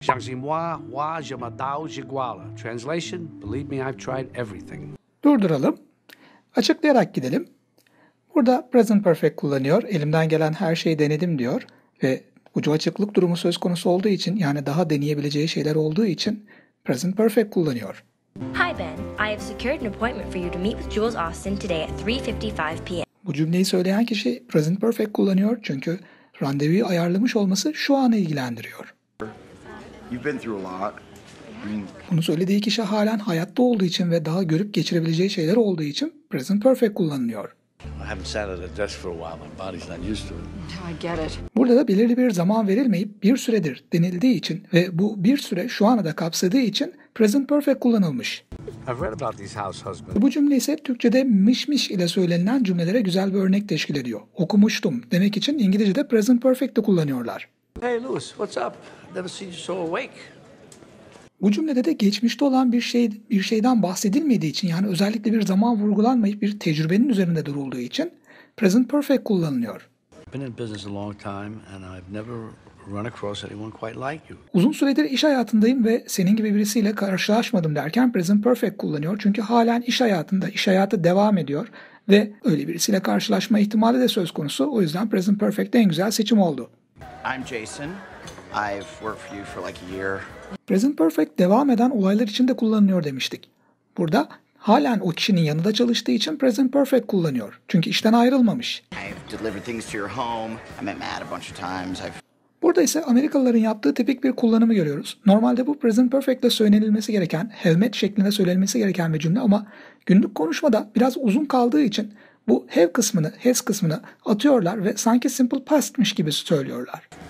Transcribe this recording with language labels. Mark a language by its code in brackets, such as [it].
[en] Translation, believe me, I've tried everything. [tr] Durduralım. Açıklayarak gidelim. Burada present perfect kullanıyor. Elimden gelen her şeyi denedim diyor. Ve ucu açıklık durumu söz konusu olduğu için, yani daha deneyebileceği şeyler olduğu için present perfect kullanıyor. [en] Hi Ben, I have secured an appointment for you to meet with Jules Austin today at 3:55 p.m. [tr] Bu cümleyi söyleyen kişi present perfect kullanıyor çünkü randevuyu ayarlamış olması şu anı ilgilendiriyor. [en] You've been through a lot. [tr] Bunu söylediği kişi halen hayatta olduğu için ve daha görüp geçirebileceği şeyler olduğu için present perfect kullanılıyor. Burada da belirli bir zaman verilmeyip bir süredir denildiği için ve bu bir süre şu anı da kapsadığı için present perfect kullanılmış. [en] I've read about these house husbands. [tr] Bu cümle ise Türkçe'de mişmiş ile söylenilen cümlelere güzel bir örnek teşkil ediyor. Okumuştum demek için İngilizce'de present perfect'i kullanıyorlar. [en] Hey Louis, what's up? Never seen you so awake. [tr] Bu cümlede de geçmişte olan bir şeyden bahsedilmediği için, yani özellikle bir zaman vurgulanmayıp bir tecrübenin üzerinde durulduğu için present perfect kullanılıyor. [en] Been in business a long time and I've never run across anyone quite like you. [tr] Uzun süredir iş hayatındayım ve senin gibi birisiyle karşılaşmadım derken present perfect kullanıyor. Çünkü halen iş hayatında, iş hayatı devam ediyor ve öyle birisiyle karşılaşma ihtimali de söz konusu. O yüzden present perfect en güzel seçim oldu. [en] I'm Jason. I've worked for you for like a year. [tr] Present perfect devam eden olaylar için de kullanılıyor demiştik. Burada halen o kişinin yanında çalıştığı için present perfect kullanıyor. Çünkü işten ayrılmamış. [en] I've delivered things to your home. I met Matt a bunch of times. I've... [tr] Burada ise Amerikalıların yaptığı tipik bir kullanımı görüyoruz. Normalde bu present perfect ile söylenilmesi gereken, have met şeklinde söylenilmesi gereken bir cümle ama günlük konuşmada biraz uzun kaldığı için bu have kısmını, has kısmını atıyorlar ve sanki simple past'miş gibi söylüyorlar.